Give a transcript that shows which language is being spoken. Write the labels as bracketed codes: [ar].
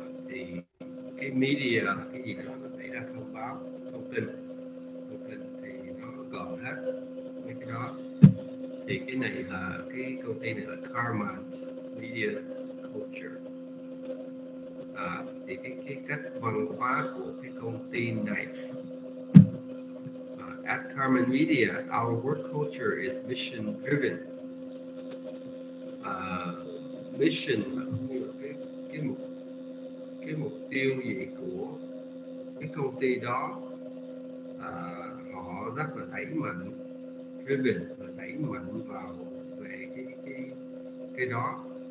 [vi] Thì cái media là cái gì đó, nó xảy ra thông báo, thông tin thì nó gồm hết mấy cái đó. Thì cái này là cái công ty này là Carmont Media Culture. Thì cái cách văn hóa của cái công ty này. [en] At Carmen Media, our work culture is mission-driven. [vi] Mission là cái mục tiêu gì của cái công ty đó. Họ rất là đẩy mạnh, driven là đẩy mạnh vào về cái đó.